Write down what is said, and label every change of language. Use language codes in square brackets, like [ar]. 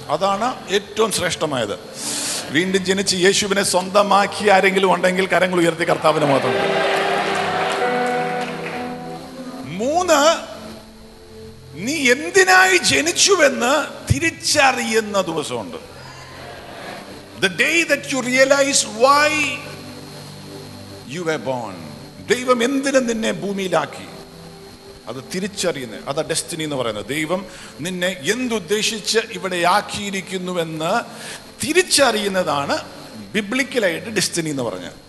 [ml] അതാണ് ഏറ്റവും ശ്രേഷ്ഠമായത്. വീണ്ടും ജനിച്ച് യേശുവിനെ സ്വന്തമാക്കി ആരെങ്കിലും ഉണ്ടെങ്കിൽ കരങ്ങൾ ഉയർത്തി കർത്താവിന് മാത്രം. മൂന്ന്, നീ എന്തിനായി ജനിച്ചുവെന്ന് തിരിച്ചറിയുന്ന ദിവസമുണ്ട്. [en] The day that you realize why you were born. [ml] ദൈവം എന്തിനു നിന്നെ ഭൂമിയിലാക്കി, അത് തിരിച്ചറിയുന്ന, അതാ ഡെസ്റ്റിനി എന്ന് പറയുന്നത്. ദൈവം നിന്നെ എന്തുദ്ദേശിച്ച് ഇവിടെ ആക്കിയിരിക്കുന്നുവെന്ന് തിരിച്ചറിയുന്നതാണ് ബിബ്ലിക്കലായിട്ട് ഡെസ്റ്റിനി എന്ന് പറഞ്ഞ.